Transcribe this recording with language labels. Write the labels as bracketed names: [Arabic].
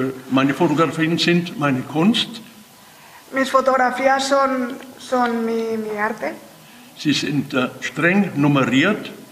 [German] Meine Fotografien sind meine Kunst. [Spanish] Mis fotografías son mi arte. [German] Sie sind streng nummeriert.